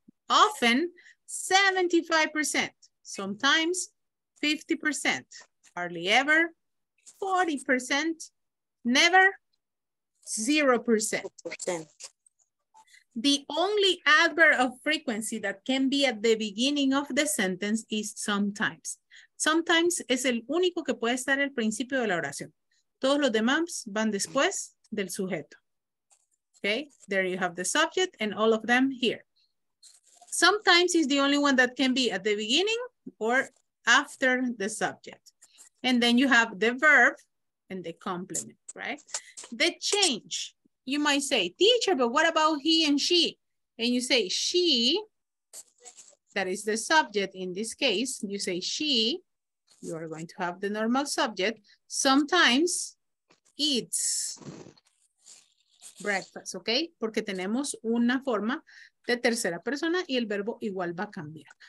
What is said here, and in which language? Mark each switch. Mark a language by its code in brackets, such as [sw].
[en] Often, 75%. Sometimes, 50%, hardly ever, 40%, never, 0%. The only adverb of frequency that can be at the beginning of the sentence is sometimes. [es] Sometimes es el único que puede estar al principio de la oración. Todos los demás van después del sujeto. [en] Okay, there you have the subject and all of them here. Sometimes is the only one that can be at the beginning or after the subject. And then you have the verb and the complement, right? The change, you might say, teacher, but what about he and she? And you say she, that is the subject in this case, you say she, you are going to have the normal subject, sometimes eats breakfast, okay? [es] Porque tenemos una forma de tercera persona y el verbo igual va a cambiar.